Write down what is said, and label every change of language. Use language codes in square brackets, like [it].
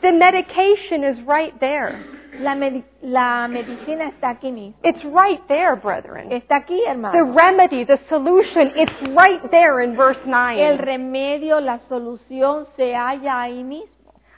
[en] The medication is right there. [es] La medicina está aquí mismo. [en] It's right there, brethren. [es] Está aquí, hermano. [en] The remedy, the solution, it's right there in verse 9. [es] El remedio, la solución se halla ahí mismo.